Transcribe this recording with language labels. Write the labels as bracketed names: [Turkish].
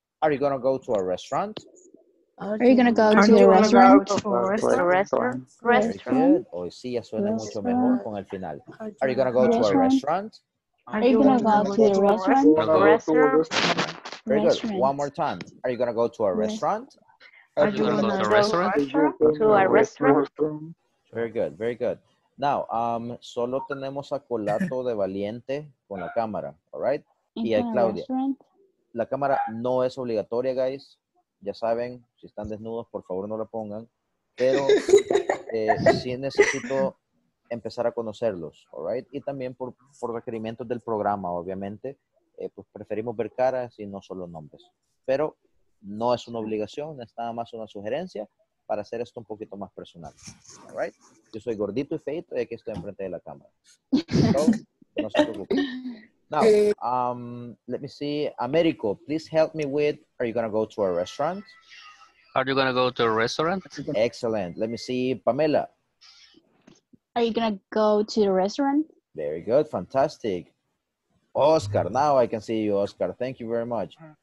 [English] Are you going to go to a restaurant? Are you going to go to a restaurant? Restaurant. [Spanish] Hoy sí ya suena mucho mejor con el final. [English] Are you going to go to a restaurant? Are you going to go to a restaurant? Very good. One more time. Are you going to go to a restaurant? Are you going to go to a restaurant? To a restaurant. Very good. Very good. Now, [Spanish] solo tenemos a Colato de Valiente con la cámara, [English] all right? [Spanish] Y a Claudia. La cámara no es obligatoria, guys. Ya saben, si están desnudos, por favor no la pongan. Pero sí necesito empezar a conocerlos, [English] all right? [Spanish] Y también por requerimientos del programa, obviamente. Pues preferimos ver caras y no solo nombres. Pero no es una obligación, es nada más una sugerencia para hacer esto un poquito más personal. [English] All right? [Spanish] Yo soy gordito y feito y aquí estoy enfrente de la cámara. [English] So, [Spanish] no se preocupen. [English] Now, let me see. Americo, please help me with, are you going to go to a restaurant? Are you going to go to a restaurant? Excellent. Let me see. Pamela. Are you going to go to the restaurant? Very good. Fantastic. Oscar, now I can see you, Oscar. Thank you very much.